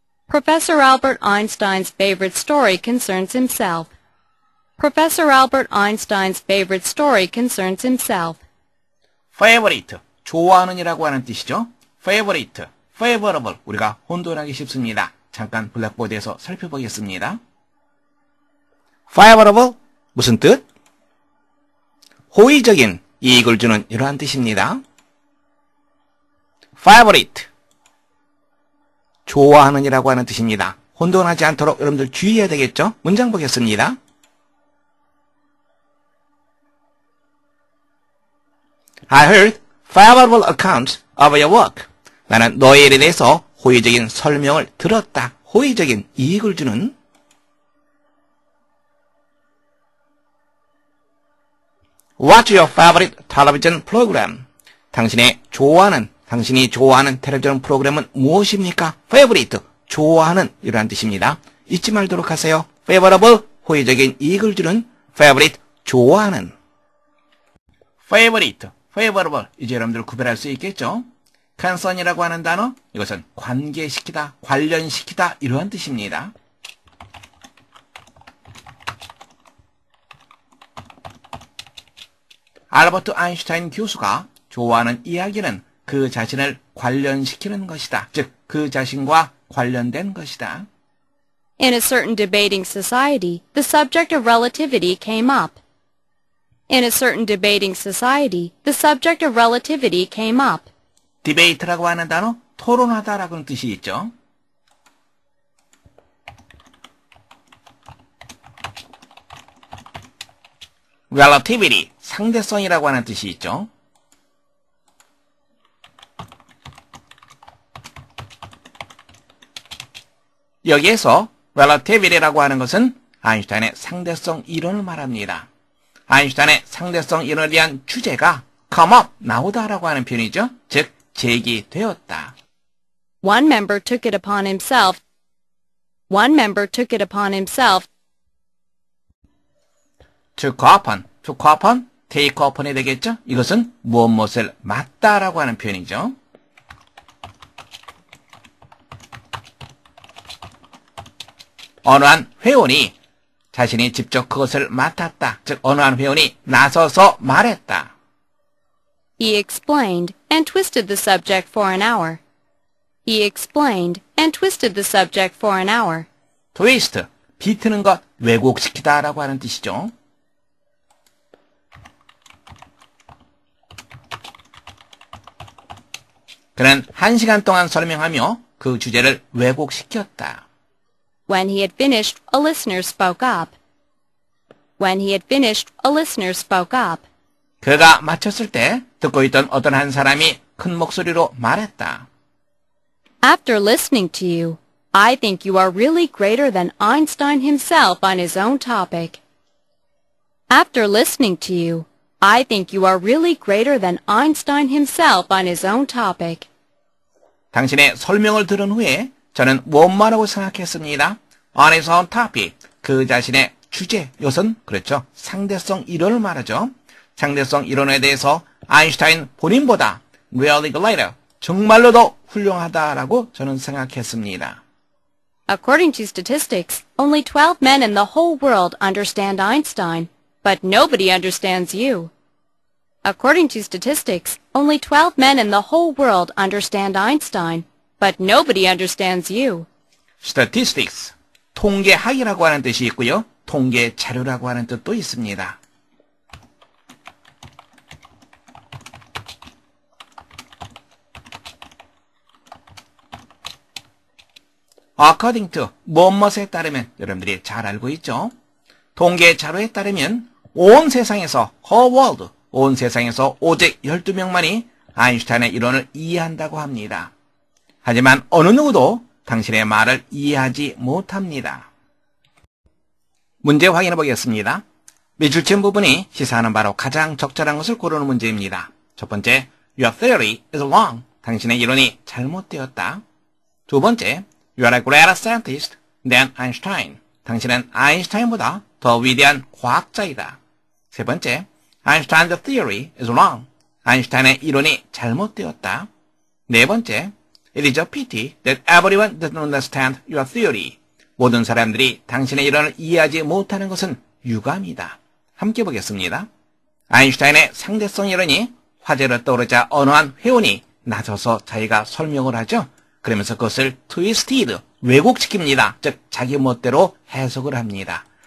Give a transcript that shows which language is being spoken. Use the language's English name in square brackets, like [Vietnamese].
[English] Professor Albert Einstein's favorite story concerns himself. Professor Albert Einstein's favorite story concerns himself. [Korean] Favorite, 좋아하는이라고 하는 뜻이죠. [English] Favorite, favorable, [Korean] 우리가 혼돈하기 쉽습니다. 잠깐 블랙보드에서 살펴보겠습니다. Favorable, 무슨 뜻? 호의적인, 이익을 주는 이러한 뜻입니다. [English] Favorite, [Korean] 좋아하는이라고 하는 뜻입니다. 혼돈하지 않도록 여러분들 주의해야 되겠죠? 문장 보겠습니다. [English] I heard favorable accounts of your work. [Korean] 나는 너의 일에 대해서 호의적인 설명을 들었다. 호의적인 이익을 주는. [English] What's your favorite television program? [Korean] 당신의 좋아하는, 당신이 좋아하는 텔레비전 프로그램은 무엇입니까? Favorite, 좋아하는 이런 뜻입니다. 잊지 말도록 하세요. Favorable, 호의적인 이익을 주는. Favorite, 좋아하는. [English] Favorite, favorable, [Korean] 이제 여러분들 구별할 수 있겠죠? Concern이라고 하는 단어, 이것은 관계시키다, 관련시키다 이러한 뜻입니다. Albert Einstein 교수가 좋아하는 이야기는 그 자신을 관련시키는 것이다. 즉, 그 자신과 관련된 것이다. [English] In a certain debating society, the subject of relativity came up. In a certain debating society, the subject of relativity came up. [Korean] Debate라고 하는 단어, 토론하다라는 뜻이 있죠. Relativity, 상대성이라고 하는 뜻이 있죠. Here, relativity라고 하는 것은 아인슈타인의 상대성 이론을 말합니다. 아인슈타인의 상대성 이론에 대한 주제가 [English] come up, [Korean] 나오다라고 하는 표현이죠. 즉, 제기되었다. [English] One member took it upon himself. One member took it upon himself. Took upon, took upon, take upon이 되겠죠. [Korean] 이것은 무엇을 맞다라고 하는 표현이죠. Oneone 회원이 자신이 직접 그것을 맡았다. 즉, Oneone 회원이 나서서 말했다. [English] He explained and twisted the subject for an hour. He explained and twisted the subject for an hour. [Korean] Twist, 비트는 것, 왜곡시키다라고 하는 뜻이죠. He는 한 시간 동안 설명하며 그 주제를 왜곡시켰다. [English] When he had finished, a listener spoke up. When he had finished, a listener spoke up. [Korean] 그가 마쳤을 때 듣고 있던 어떤 한 사람이 큰 목소리로 말했다. [English] After listening to you, I think you are really greater than Einstein himself on his own topic. After listening to you, I think you are really greater than Einstein himself on his own topic. [Korean] 당신의 설명을 들은 후에 저는 원만하고 생각했습니다. [English] On his own topic, [Korean] 그 자신의 주제, 요선, 그렇죠. 상대성 이론을 말하죠. 상대성 이론에 대해서 아인슈타인 본인보다 [English] really greater, [Korean] 정말로 더 훌륭하다라고 저는 생각했습니다. [English] According to statistics, only 12 men in the whole world understand Einstein, but nobody understands you. According to statistics, only 12 men in the whole world understand Einstein. But nobody understands you. [Korean] Statistics, 통계학이라고 하는 뜻이 있고요. 통계자료라고 하는 뜻도 있습니다. [English] According to, [Korean] 무엇에 따르면, 여러분들이 잘 알고 있죠. 통계자료에 따르면 온 세상에서, [English] whole world, [Korean] 온 세상에서 오직 12명만이 아인슈타인의 이론을 이해한다고 합니다. 하지만 어느 누구도 당신의 말을 이해하지 못합니다. 문제 확인해 보겠습니다. 밑줄친 부분이 시사하는 바로 가장 적절한 것을 고르는 문제입니다. 첫 번째, [English] Your theory is wrong. [Korean] 당신의 이론이 잘못되었다. 두 번째, [English] You are a greater scientist than Einstein. [Korean] 당신은 아인슈타인보다 더 위대한 과학자이다. 세 번째, [English] Einstein's theory is wrong. [Korean] 아인슈타인의 이론이 잘못되었다. 네 번째, [English] It is a pity that everyone doesn't understand your theory. [Korean] 모든 사람들이 당신의 이론을 이해하지 못하는 것은 유감이다. 함께 보겠습니다. 아인슈타인의 상대성 이론이 화제로 떠오르자 언어한 회원이 나서서 자기가 설명을 하죠. 그러면서 그것을 트위스티드, 왜곡시킵니다. 즉, 자기 멋대로 해석을 합니다.